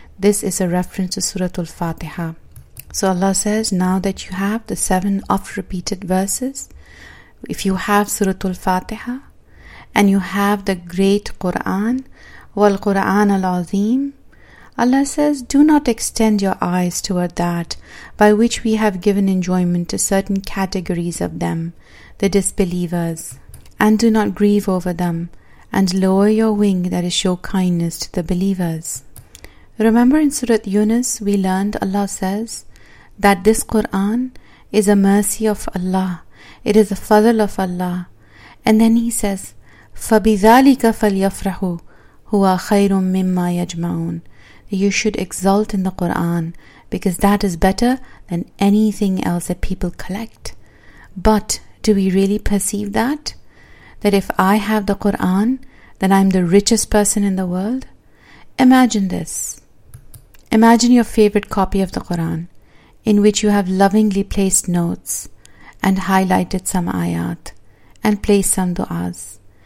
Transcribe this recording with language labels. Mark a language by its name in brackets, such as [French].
[English] This is a reference to Surah Al-Fatiha. So Allah says, now that you have the 7 oft repeated verses, if you have Surah Al-Fatiha and you have the great Quran, [Arabic] wal Quran al-Azim, [English] Allah says, do not extend your eyes toward that by which we have given enjoyment to certain categories of them, the disbelievers, and do not grieve over them, and lower your wing, that is, show kindness to the believers. Remember in Surah Yunus, we learned Allah says that this Quran is a mercy of Allah. It is a fadl of Allah. And then He says, [Arabic] فَبِذَلِكَ فَلْيَفْرَحُوا هُوَ خَيْرٌ مِمَّا يَجْمَعُونَ. [English] You should exult in the Quran because that is better than anything else that people collect. But do we really perceive that? That if I have the Quran, then I'm the richest person in the world? Imagine this. Imagine your favorite copy of the Quran, in which you have lovingly placed notes and highlighted some ayat and placed some du'as.